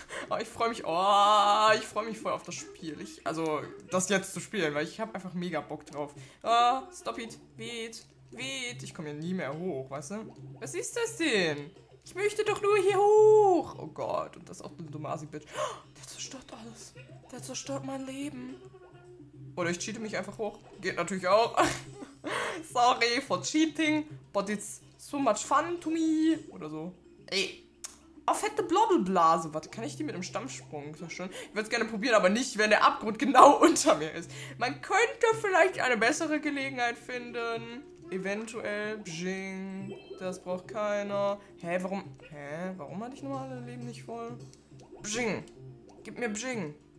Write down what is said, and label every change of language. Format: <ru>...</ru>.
<de>Oh, ich freue mich. Oh, ich freue mich voll auf das Spiel. Also, das jetzt zu spielen, weil ich habe einfach mega Bock drauf.</de> <en>Oh, stop it. Wait, wait.</en> <de>Ich komme hier nie mehr hoch, weißt du? Was ist das denn? Ich möchte doch nur hier hoch. Oh Gott, und das ist auch eine dumme Asi-Bitch. Der zerstört alles. Der zerstört mein Leben. Oder ich cheate mich einfach hoch. Geht natürlich auch.</de> <en>Sorry for cheating, but it's so much fun to me.</en> <de>Oder so. Ey. Oh, fette Blobbelblase. Warte, kann ich die mit einem Stammsprung zerstören? Ich würde es gerne probieren, aber nicht, wenn der Abgrund genau unter mir ist. Man könnte vielleicht eine bessere Gelegenheit finden. Eventuell. Bjing. Das braucht keiner. Hä, warum? Hä, warum hatte ich nochmal alle Leben nicht voll? Bjing. Gib mir Bjing.</de>